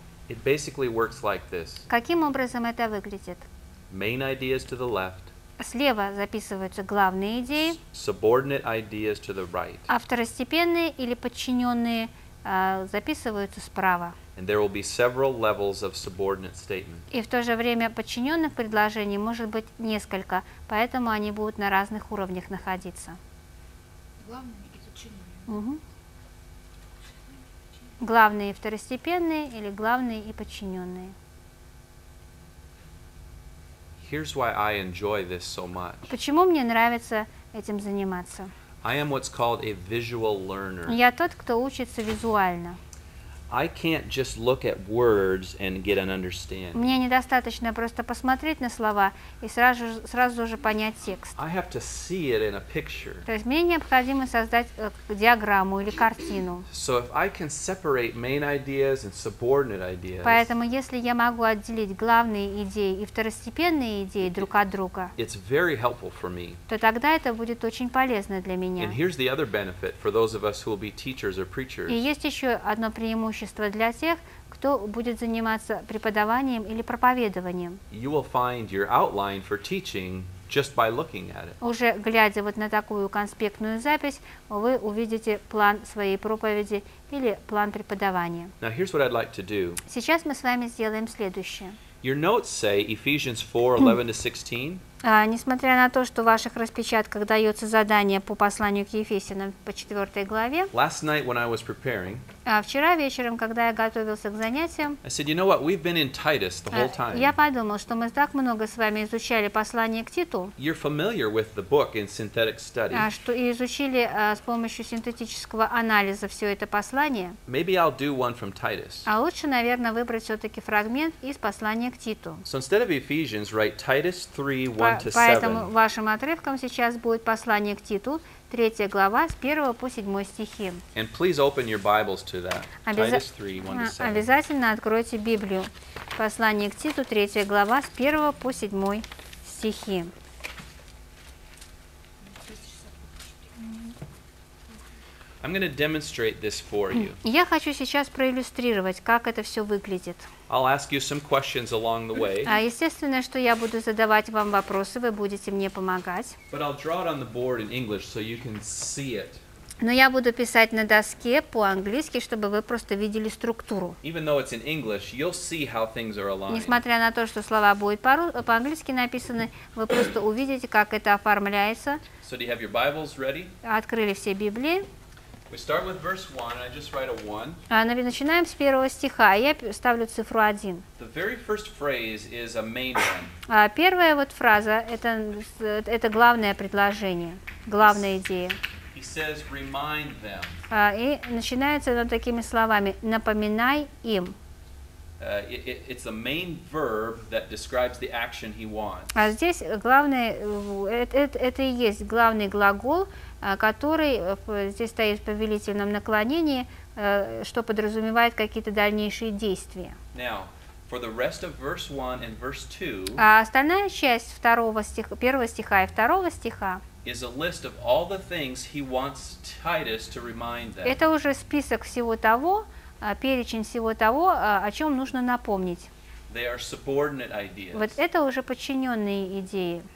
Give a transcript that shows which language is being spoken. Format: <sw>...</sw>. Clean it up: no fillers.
<en>It basically works like this.</en> <ru>Каким образом это выглядит?</ru> <en>Main ideas to the left.</en> <ru>Слева записываются главные идеи,</ru> <en>subordinate ideas to the right.</en> <ru>А второстепенные или подчиненные записываются справа.</ru> <en>And there will be several levels of subordinate statements.</en> <ru>И в то же время подчиненных предложений может быть несколько, поэтому они будут на разных уровнях находиться. Главные и подчиненные. Угу. Главные и второстепенные или главные и подчиненные.</ru> <en>Here's why I enjoy this so much.</en> <ru>Почему мне нравится этим заниматься?</ru> <en>I am what's called a visual learner.</en> <ru>Я тот, кто учится визуально.</ru> <en>I can't just look at words and get an understanding.</en> <ru>Мне недостаточно просто посмотреть на слова и сразу же понять текст.</ru> <en>I have to see it in a picture.</en> <ru>То есть мне необходимо создать диаграмму или картину.</ru> <en>So if I can separate main ideas and subordinate ideas.</en> <ru>Поэтому если я могу отделить главные идеи и второстепенные идеи друг от друга.</ru> <en>It's very helpful for me.</en> <ru>То тогда это будет очень полезно для меня.</ru> <en>And here's the other benefit for those of us who will be teachers or preachers.</en> <ru>И есть еще одно преимущество. Для тех, кто будет заниматься преподаванием или проповедованием.</ru> <en>You will find your outline for teaching just by looking at it.</en> <ru>Уже глядя вот на такую конспектную запись, вы увидите план своей проповеди или план преподавания.</ru> <en>Now here's what I'd like to do.</en> <ru>Сейчас мы с вами сделаем следующее.</ru> <en>Your notes say Ephesians 4:11-16.</en> <ru>Несмотря на то, что в ваших распечатках дается задание по посланию к Ефесянам по 4 главе,</ru> <en>last night when I was preparing,</en> <ru>вчера вечером, когда я готовился к занятиям,</ru> <en>I said, you know what, we've been in Titus the whole time.</en> <ru>Я подумал, что мы так много с вами изучали послание к Титу.</ru> <en>You're familiar with the book in synthetic study.</en> <ru>Что и изучили с помощью синтетического анализа все это послание.</ru> <en>Maybe I'll do one from Titus.</en> <ru>А лучше, наверное, выбрать все-таки фрагмент из послания к Титу.</ru> <en>So instead of Ephesians, write Titus 3, 1-7.</en> <ru>Поэтому вашим отрывком сейчас будет послание к Титу, 3 глава, с 1 по 7 стихи.</ru> <en>And please open your Bibles to that. Titus 3, 1-7.</en> <ru>Обязательно откройте Библию. Послание к Титу, 3 глава, с 1 по 7 стихи.</ru> <en>I'm going to demonstrate this for you.</en> <ru>Я хочу сейчас проиллюстрировать, как это все выглядит.</ru> <en>I'll ask you some questions along the way.</en> <ru>Естественно, что я буду задавать вам вопросы, вы будете мне помогать.</ru> <en>But I'll draw it on the board in English so you can see it.</en> <ru>Но я буду писать на доске по-английски, чтобы вы просто видели структуру.</ru> <en>Even though it's in English, you'll see how things are aligned.</en> <ru>Несмотря на то, что слова будут по-английски написаны, вы просто увидите, как это оформляется.</ru> <en>So do you have your Bibles ready?</en> <ru>Открыли все Библии.</ru> <en>We start with verse 1, and I just write a 1.</en> <ru>Начинаем с первого стиха, я ставлю цифру 1.</ru> <en>The very first phrase is a main one.</en> <ru>Первая вот фраза, это главное предложение, главная идея.</ru> <en>He says, remind them.</en> <ru>И начинается оно такими словами, напоминай им.</ru> <en>It's a main verb that describes the action he wants.</en> <ru>Здесь главное, это и есть главный глагол, который здесь стоит в повелительном наклонении, что подразумевает какие-то дальнейшие действия.</ru> <en>Now, for the rest of verse 1 and verse 2,</en> <ru>остальная часть первого стиха и второго стиха</ru> <en>is a list of all the things he wants Titus to remind them.</en> <ru>Это уже список всего того, перечень всего того, о чем нужно напомнить.</ru> <en>They are subordinate ideas.</en> <ru>Вот это уже подчиненные идеи.</ru>